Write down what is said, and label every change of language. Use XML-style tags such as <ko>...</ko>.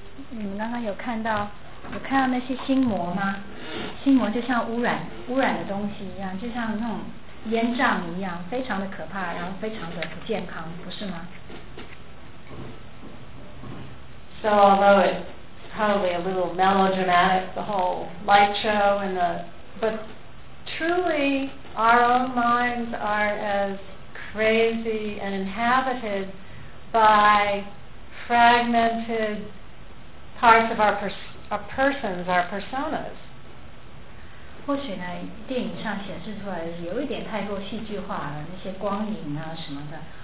<zh>你们刚刚有看到那些心魔吗？心魔就像污染的东西一样，就像那种烟瘴一样，非常的可怕，然后非常的不健康，不是吗？</zh> <en>So although it's probably a little melodramatic, the whole light show and the, but truly our own minds are as crazy and inhabited by fragmented parts of our persons, our personas.</en> <zh>或许呢，电影上显示出来的有一点太过戏剧化了，那些光影啊什么的。</zh>